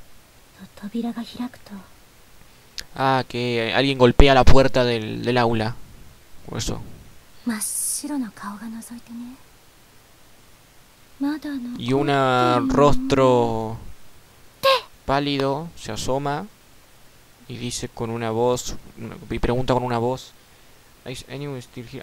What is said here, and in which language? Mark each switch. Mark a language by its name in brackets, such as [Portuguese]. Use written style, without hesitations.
[Japanese] その先生が現れる時校舎は必ず停電で真っ暗になるの。コンコン。コンコン。で、ノックの後にスッと扉が開くと。 [Spanish] Ah, que alguien golpea la puerta del aula. O eso. [Japanese] 真っ白の顔が覗いてね. [Spanish] Y un rostro pálido se asoma y dice con una voz y pregunta con una voz: [English] ¿Is anyone still here?